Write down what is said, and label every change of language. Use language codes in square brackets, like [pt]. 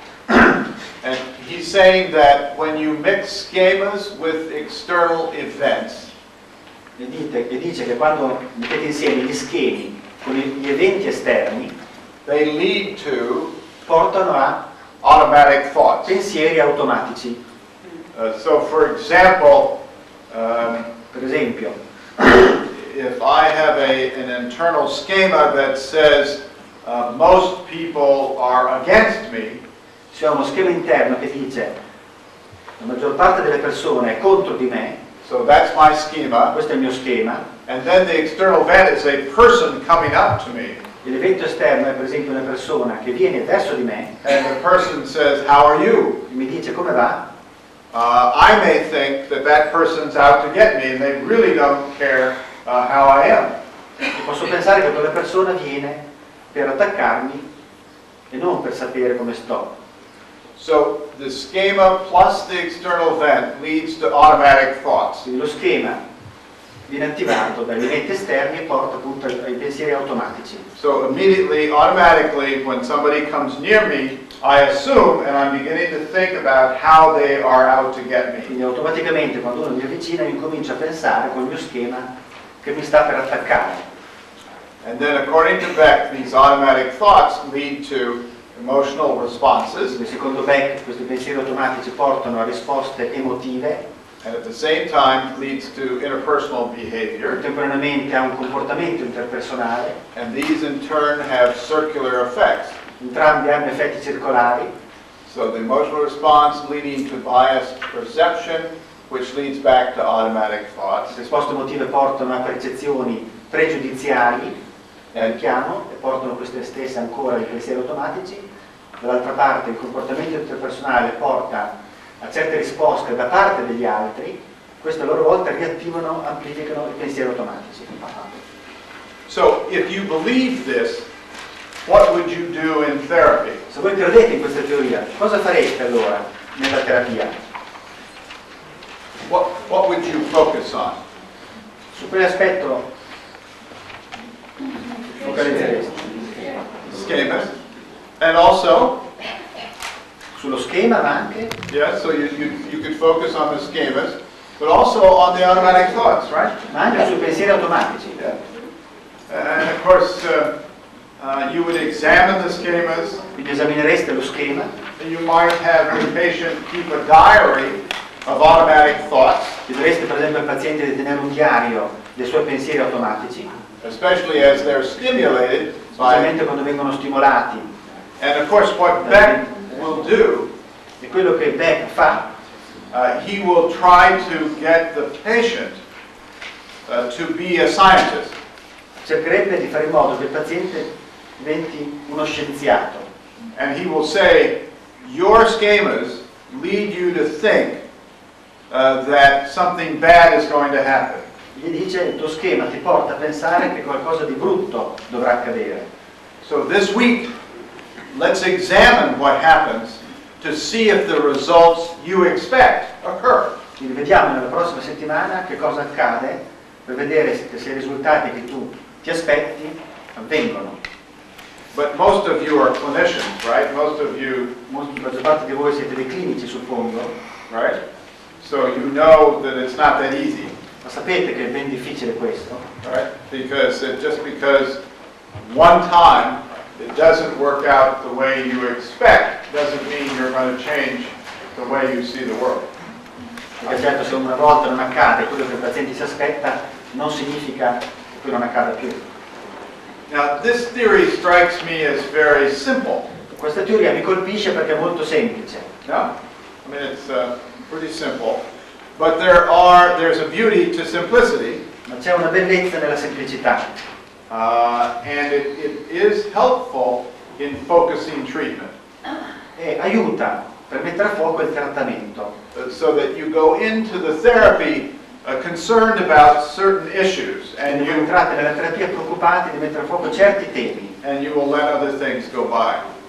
[en] And he's saying that when you mix schemas with external events, [it] e dice che quando mettete insieme gli schemi con gli eventi esterni, [en] they lead to, [it] portano a, [en] automatic thoughts. [it] Pensieri automatici. [en] So for example, [it] per esempio, [en] if I have an internal schema that says most people are against me, [it] se ho uno schema interno che dice la maggior parte delle persone è contro di me, [en] so that's my schema, [it] questo è il mio schema, [en] and then the external event is a person coming up to me, [it] e l'evento esterno è per esempio una persona che viene verso di me, [en] and the person says how are you, [it] e mi dice come va, [en] I may think that that person's out to get me and they really don't care how I am. [it] E posso pensare che quella persona viene per attaccarmi e non per sapere come sto. [en] So the schema plus the external event leads to automatic thoughts. [it] Quindi lo schema viene attivato dagli eventi esterni e porta appunto ai pensieri automatici. [en] So immediately, automatically, when somebody comes near me, I assume and I'm beginning to think about how they are out to get me. [it] Quindi automaticamente quando uno mi avvicina io comincio a pensare col mio schema che mi sta per attaccare. [en] And then according to Beck, these automatic thoughts lead to emotional responses. [it] E secondo Beck, questi pensieri automatici portano a risposte emotive. [en] And at the same time leads to interpersonal behavior. [it] Contemporaneamente ha un comportamento interpersonale. [en] And these in turn have circular effects. [it] Entrambi hanno effetti circolari. [en] So the emotional response leading to biased perception, which leads back to automatic thoughts. [it] Le risposte emotive portano a percezioni pregiudiziali. Richiamo e portano queste stesse ancora ai pensieri automatici. Dall'altra parte il comportamento interpersonale porta a certe risposte da parte degli altri, queste a loro volta riattivano, amplificano i pensieri automatici. [en] So, if you believe this, what would you do in therapy? [it] Se voi credete in questa teoria, cosa fareste allora nella terapia? [en] What would you focus on? [it] Su quale aspetto? [en] Schema. And also, [it] sullo schema ma anche. [en] Yes, so you could focus on the schemas, but also on the automatic thoughts, right? [it] Ma anche sui pensieri automatici. [en] And of course, you would examine the schemas. [it] Quindi esaminereste lo schema. [en] And you might have your patient keep a diary of automatic thoughts. [it] Chiedereste per esempio al paziente di tenere un diario dei suoi pensieri automatici. [en] Especially as they're stimulated. [it] Specialmente quando vengono stimolati. [en] And of course, what Beck will do. [it] E quello che Beck fa. [en] He will try to get the patient to be a scientist. [it] Cercherebbe di fare in modo che il paziente diventi uno scienziato. [en] And he will say, your schemas lead you to think that something bad is going to happen. [it] Gli dice, il tuo schema ti porta a pensare che qualcosa di brutto dovrà accadere. [en] So this week, let's examine what happens to see if the results you expect occur. [it] Quindi vediamo nella prossima settimana che cosa accade per vedere se i risultati che tu ti aspetti avvengono. [en] But most of you are clinicians, right? Most of you, [it] la maggior parte di voi siete dei clinici, suppongo, [en] right? So you know that it's not that easy. [it] Ma sapete che è ben difficile questo, [en] right? Because just because one time it doesn't work out the way you expect doesn't mean you're going to change the way you see the world. [it] Perché certo, se una volta non accade quello che il paziente si aspetta, non significa che poi non accada più. [en] Now this theory strikes me as very simple. [it] Questa teoria mi colpisce perché è molto semplice. [en] No, I mean it's pretty simple, but there's a beauty to simplicity. [it] Ma c'è una bellezza nella semplicità. [en] And it is helpful in focusing treatment. [it] E aiuta per mettere a fuoco il trattamento. [en] So that you go into the therapy concerned about certain issues, and you [it] entrate nella terapia preoccupati di mettere a fuoco certi temi, [en] and you will let other things go by.